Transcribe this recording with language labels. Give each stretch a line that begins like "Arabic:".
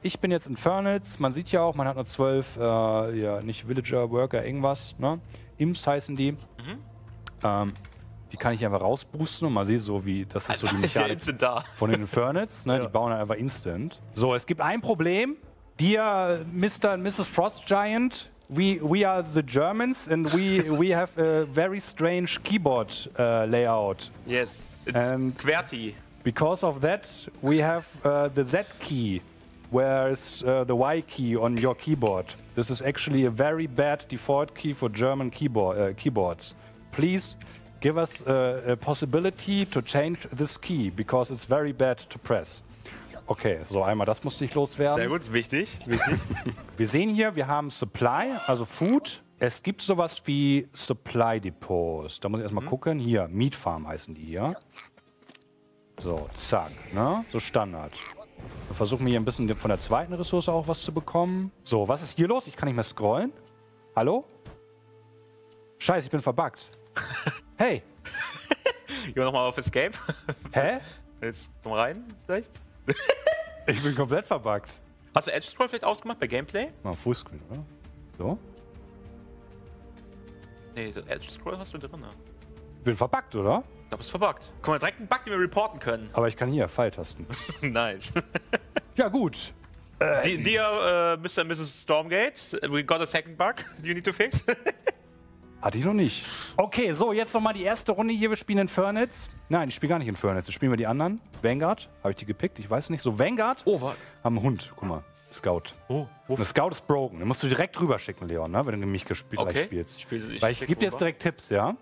German: Ich bin jetzt in Fernitz. Man sieht ja auch, man hat nur 12, nicht Villager, Worker, irgendwas, ne? Imps heißen die. Mhm. Die kann ich einfach rausboosten und man sieht so, wie das ist so die Mechanik von den Fernitz. Ne? Ja. Die bauen dann einfach instant. So, es gibt ein Problem.
English: Dear Mr.
German: und Mrs.
English: Frost Giant, we are the Germans and we have a very strange keyboard layout. Yes, it's and QWERTY. Because of that, we have the Z key, whereas the Y key on your keyboard. This is actually a very bad default key for German keyboards. Please give us a possibility to change this key, because it's very bad to press.
German: Okay, so einmal das musste ich loswerden. Sehr gut, wichtig. Wir sehen hier, wir haben Supply, also Food. Es gibt sowas wie Supply Depots. Da muss ich erstmal gucken. Hier, Meat Farm heißen die hier. So, zack, ne? So Standard. Wir versuchen hier ein bisschen von der zweiten Ressource auch was zu bekommen. So, was ist hier los? Ich kann nicht mehr scrollen. Hallo? Scheiße, ich bin verbuggt. Hey! Gehen wir nochmal auf Escape? Hä? Jetzt komm rein, vielleicht? Ich bin komplett verbuggt. Hast du Edge Scroll vielleicht ausgemacht bei Gameplay? Mal Fullscreen, oder? So? Nee, Edge Scroll hast du drin, ne? Ich bin verbuggt, oder? Ich glaube, es ist verbuggt. Guck mal, direkt einen Bug, den wir reporten können. Aber ich kann hier Pfeiltasten. Nice. Ja, gut.
English: Dear Mr. and Mrs. Stormgate, we got a second bug you need to fix.
German: Hatte ich noch nicht. Okay, so, jetzt nochmal die erste Runde hier. Wir spielen in Fernitz. Nein, ich spiele gar nicht in Fernitz. Jetzt spielen wir die anderen. Vanguard, habe ich die gepickt? Ich weiß nicht. So, Vanguard. Oh, was? Haben einen Hund, guck mal. Scout. Oh, wuff. Der Scout ist broken. Den musst du direkt rüberschicken, Leon, ne? Wenn du mich gleich spielst. Ich gebe dir jetzt direkt Tipps, ja?